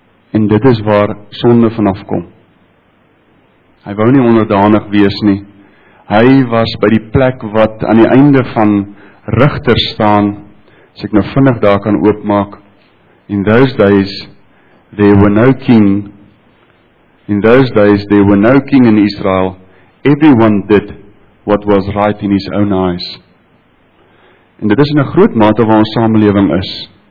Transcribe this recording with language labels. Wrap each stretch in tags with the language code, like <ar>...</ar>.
<af>En dit is waar sonde vanaf kom. Hy wou nie onderdanig wees nie. Hy was by die plek wat aan die einde van Rigters staan, as ek nou vinnig daar kan oopmaak.</af> <en>In those days, there were no king. In those days, there were no king in Israel. Everyone did what was right in his own eyes.</en> <af>En dit is in 'n groot mate waar ons samelewing is.</af>